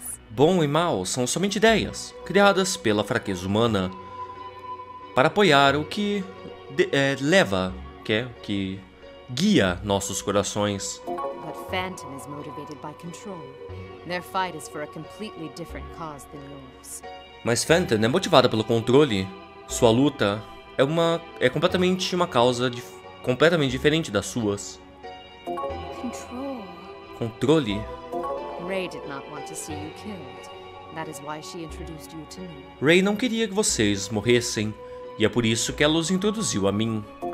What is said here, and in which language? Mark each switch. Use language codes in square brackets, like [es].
[pt] Bom e mal são somente ideias criadas pela fraqueza humana para apoiar o que leva, que é o que guia nossos corações. [en] But Phantom is motivated by control. Their fight is for a completely different cause than yours. [pt] Mas Phantom é motivada pelo controle. Sua luta é uma completamente uma causa completamente diferente das suas. [en] Control. [pt] Controle. [en] Ray did not want to see you killed. That is why she introduced you to me. [pt] Ray não queria que vocês morressem, e é por isso que ela os introduziu a mim.